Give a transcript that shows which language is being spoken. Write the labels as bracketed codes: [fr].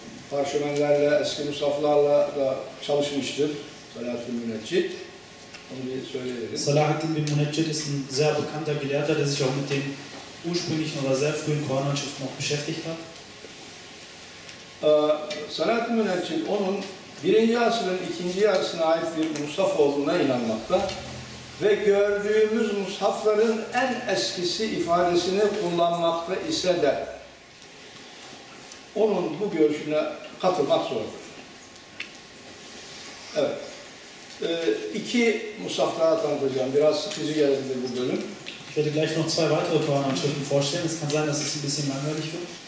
[tr] Parşömenlerle, eski musaflarla da çalışmıştır Salahaddin Müneccid. Onu bir söyleyelim. [de] Salahaddin bin Müneccid ist ein sehr bekannter Gelehrter, der sich auch mit den ursprünglichen oder sehr frühen Koranschriften noch beschäftigt hat. [tr] Salahaddin Müneccid onun 1. asrın 2. yarısına ait bir musaf olduğuna inanmakta ve gördüğümüz musafların en eskisi ifadesini kullanmakta ise de onun bu görüşüne katılmak zorundadır. İki musaf daha tanıtacağım. Biraz sıkıcı geldi bu bölüm. [de] Ich werde gleich noch zwei weitere Koranschriften vorstellen. Es kann sein, dass es ein bisschen langweilig wird.